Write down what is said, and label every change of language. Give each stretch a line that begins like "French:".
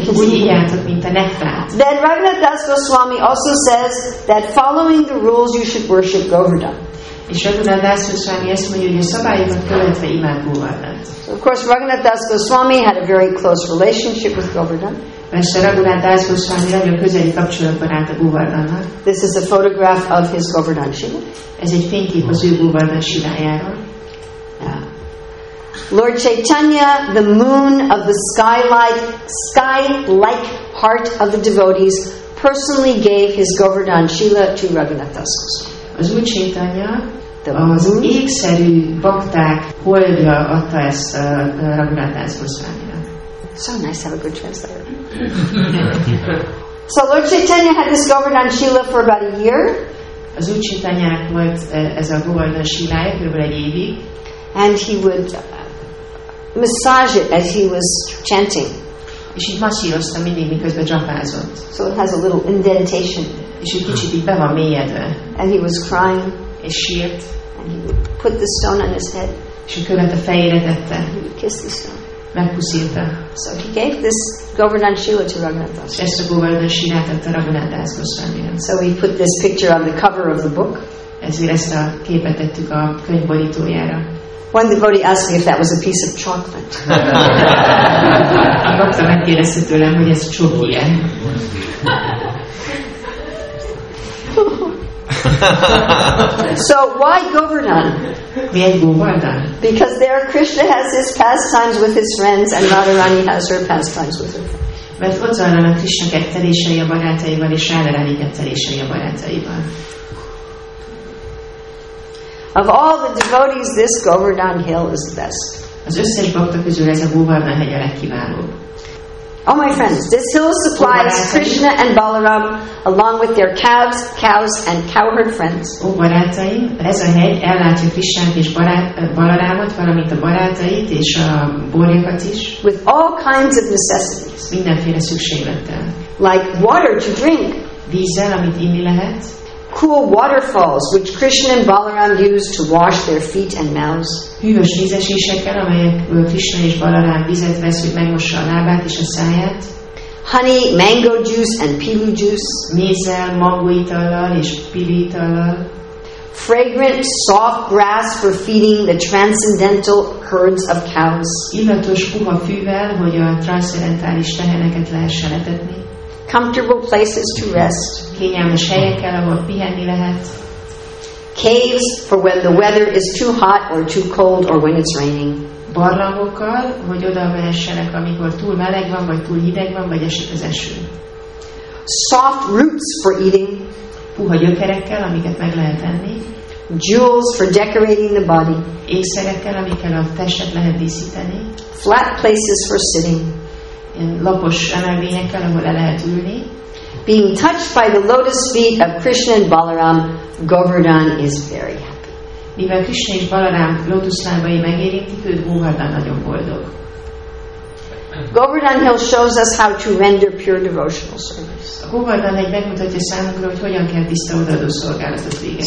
English: Then Raghunath Das Goswami also says that following the rules you should worship Govardhan. So of course Raghunath Das Goswami had a very close relationship with Govardhan. This is a photograph of his Govardhan Shiva.
Hungarian: Ez egy fénykép az ő Govardhan Shivájáról.
English: Lord Chaitanya, the moon of the sky-like heart of the devotees, personally gave his Govardhan Shila to Raghunath Das Goswami.
Hungarian: Az úr Chaitanya, az égszerű bhakták holdja adta ezt Raghunath Das Goswaminak.
English: So nice to have a good translator. So Lord Chaitanya had this Govardhan Shila for about a year.
Hungarian: Az úr Chaitanyának volt ez a Govardhan Shilája kb. Egy évig.
English: And he would massage it as he was chanting.
Hungarian: És így masszírozta mindig, miközben japázott.
English: So it has a little indentation.
Hungarian: És egy kicsit így be van mélyedve.
English: And he was crying.
Hungarian: És sírt.
English: And he would put the stone on his head.
Hungarian: És így követ a fejére tette.
English: He would kiss the stone.
Hungarian: Megpuszírta.
English: So he gave this Govardhan Shila to Raghunath Das.
Hungarian: Ezt a Govardhan Shilát adta Raghunath Das Goswaminak.
English: So he put this picture on the cover of the book.
Hungarian: Ezért ezt a képet tettük a könyv borítójára.
English: One devotee asked me if that was a piece of chocolate.
Hungarian: A bhakta megkérdezte tőlem, hogy ez csoki-e.
English: So why Govardhan?
Hungarian: Miért Govardhan?
English: Because there Krishna has his pastimes with his friends and Radharani has her pastimes with her friends.
Hungarian: Mert ott van a Krishna kettelései a barátaival és Radharani kettelései a barátaival.
English: Of all the devotees, this Govardhan Hill is the best.
Hungarian: Az összes bhakta közül ez a Govardhan hegy a legkiválóbb.
English: Oh my friends, this hill supplies Krishna and Balaram along with their calves, cows and cowherd friends.
Hungarian: Oh, barátaim, ez a hegy ellátja Krishnát és Balarámot, valamint a barátait és a borjakat is.
English: With all kinds of necessities.
Hungarian: Mindenféle szükséglettel.
English: Like water to drink.
Hungarian: Vízzel, amit inni lehet.
English: Cool waterfalls which Krishna and Balaram use to wash their feet and mouths.
Hungarian: Hűvös vízesésekkel, amelyek Krishna és Balaram vizet vesz, hogy megmossa a lábát és a száját.
English: Honey, mango juice and pilu juice.
Hungarian: Mézzel, mangóitallal és pili itallal.
English: Fragrant, soft grass for feeding the transcendental herds of cows.
Hungarian: Illatos puha fűvel, hogy a transzcendentális teheneket lehessen etetni.
English: Comfortable places to rest.
Hungarian: Kényelmes helyekkel, ahol pihenni lehet.
English: Caves for when the weather is too hot or too cold or when it's raining.
Hungarian: Barlangokkal, hogy oda mehessenek, amikor túl meleg van, vagy túl hideg van, vagy esik az eső.
English: Soft roots for eating.
Hungarian: Puha gyökerekkel, amiket meg lehet enni.
English: Jewels for decorating the body.
Hungarian: Ékszerekkel, amikkel a testet lehet díszíteni.
English: Flat places for sitting.
Hungarian: Lapos emelvényekkel, ahol le lehet ülni.
English: Being touched by the lotus feet of Krishna and Balaram, Govardhan is very happy.
Hungarian: Mivel Krishna és Balaram lótuszlábai megérintik, őt Govardhan nagyon boldog.
English: Govardhan Hill shows us how to render pure devotional service.
Hungarian: A Govardhan egy megmutatja számunkra, hogy hogyan kell tiszta odaadó szolgálatot végezni.